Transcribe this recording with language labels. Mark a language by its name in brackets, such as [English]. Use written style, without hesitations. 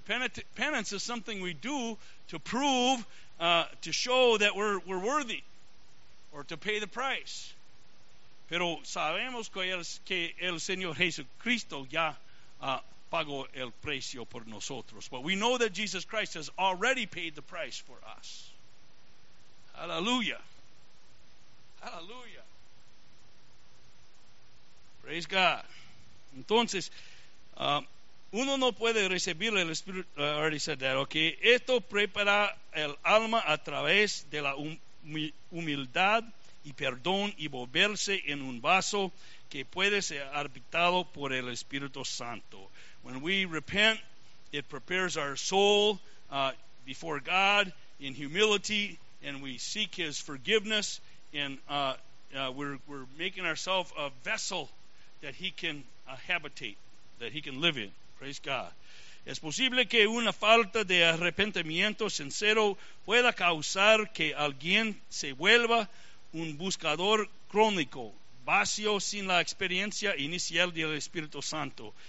[English] Penance is something we do to prove, to show that we're worthy, or to pay the price. [Spanish] Pero sabemos que el Señor Jesucristo ya pagó el precio por nosotros. [English] But we know that Jesus Christ has already paid the price for us. Hallelujah. Hallelujah. Praise God. [Spanish] Entonces, uno no puede recibir el Espíritu. [English] I already said that. Okay. [Spanish] Esto prepara el alma a través de la humildad y perdón y volverse en un vaso que puede ser habitado por el Espíritu Santo. [English] When we repent, it prepares our soul before God in humility, and we seek His forgiveness, and we're making ourselves a vessel that He can habitate, that He can live in. Praise God. [Spanish] Es posible que una falta de arrepentimiento sincero pueda causar que alguien se vuelva un buscador crónico, vacío sin la experiencia inicial del Espíritu Santo.